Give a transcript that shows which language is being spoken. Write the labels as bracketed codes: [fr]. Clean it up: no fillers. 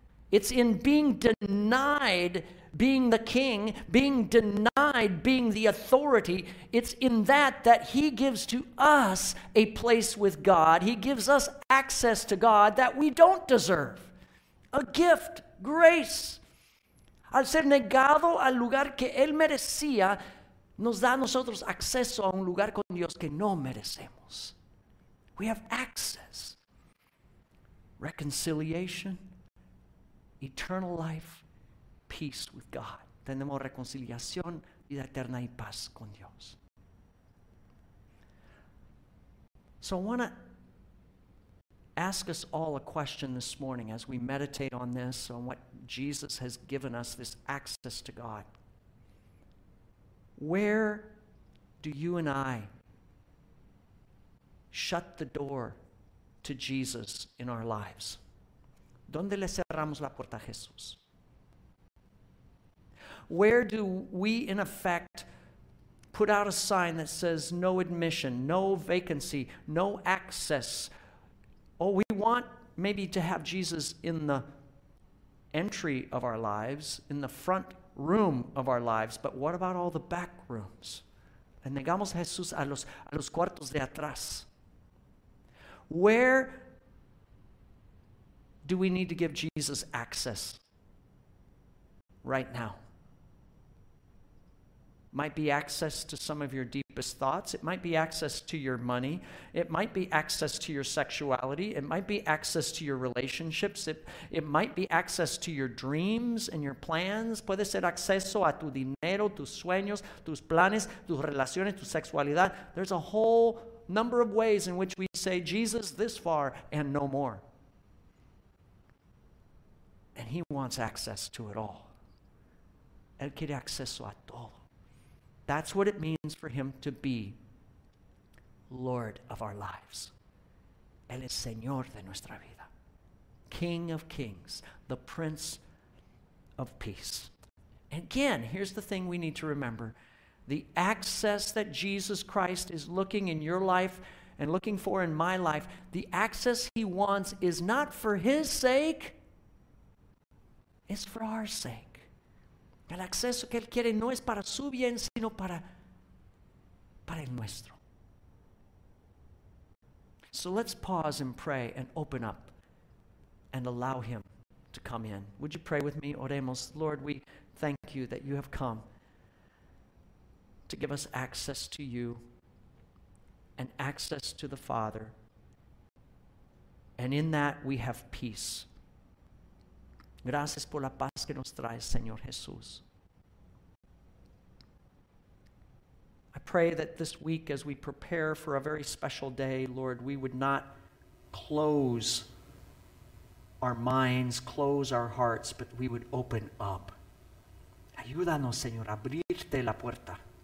[en] It's in being denied being the king, being denied being the authority. It's in that he gives to us a place with God. He gives us access to God that we don't deserve. A gift, grace. [es] Al ser negado al lugar que él merecía, nos da a nosotros acceso a un lugar con Dios que no merecemos. [en] We have access. Reconciliation, eternal life, peace with God. [es] Tenemos reconciliación, vida eterna y paz con Dios. [en] So I want to ask us all a question this morning as we meditate on this, on what Jesus has given us, this access to God. Where do you and I shut the door to Jesus in our lives? [es] ¿Dónde le cerramos la puerta a Jesús? [en] Where do we, in effect, put out a sign that says no admission, no vacancy, no access? Oh, we want maybe to have Jesus in the entry of our lives, in the front room of our lives, but what about all the back rooms? [es] Le negamos a Jesús a los cuartos de atrás. [en] Where do we need to give Jesus access right now? Might be access to some of your deepest thoughts. It might be access to your money. It might be access to your sexuality. It might be access to your relationships. It might be access to your dreams and your plans. [es] Puede ser acceso a tu dinero, tus sueños, tus planes, tus relaciones, tu sexualidad. [en] There's a whole number of ways in which we say, Jesus, this far and no more. And he wants access to it all. [es] Él quiere acceso a todo. [en] That's what it means for him to be Lord of our lives. [es] Él es Señor de nuestra vida. [en] King of kings, the Prince of peace. And again, here's the thing we need to remember. The access that Jesus Christ is looking in your life and looking for in my life, the access he wants is not for his sake, it's for our sake. [es] El acceso que él quiere no es para su bien, sino para el nuestro. [en] So let's pause and pray and open up and allow him to come in. Would you pray with me? [es] Oremos. [en] Lord, we thank you that you have come to give us access to you and access to the Father. And in that we have peace. [es] Gracias por la paz que nos traes, Señor Jesús. [en] Pray that this week as we prepare for a very special day, Lord, we would not close our minds, close our hearts, but we would open up. [es] Ayúdanos, Señor, abrirte la puerta.